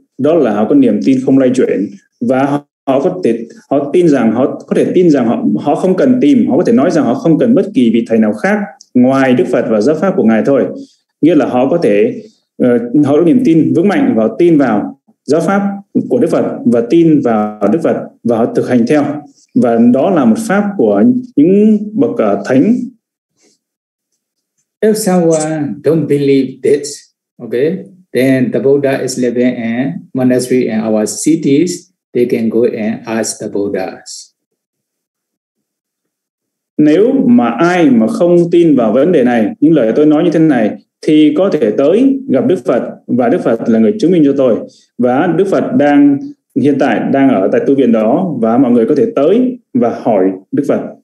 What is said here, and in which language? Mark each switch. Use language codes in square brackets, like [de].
[vi] Đó là họ có niềm tin không lay chuyển và họ có thể tin rằng họ không cần tìm, họ có thể nói rằng họ không cần bất kỳ vị thầy nào khác ngoài Đức Phật và giáo pháp của Ngài thôi. Nghĩa là họ có thể họ có niềm tin vững mạnh vào tin vào giáo pháp của Đức Phật và tin vào Đức Phật và họ thực hành theo. Và đó là một pháp của những bậc thánh. [en] If someone don't believe this, okay, then the Buddha is living in monastery in our cities. They can go and ask the Buddhas. [vi] Nếu mà ai mà không tin vào vấn đề này, những lời tôi nói như thế này, thì có thể tới gặp Đức Phật và Đức Phật là người chứng minh cho tôi. Và Đức Phật đang hiện tại đang ở tại tu viện đó và mọi người có thể tới và hỏi Đức Phật.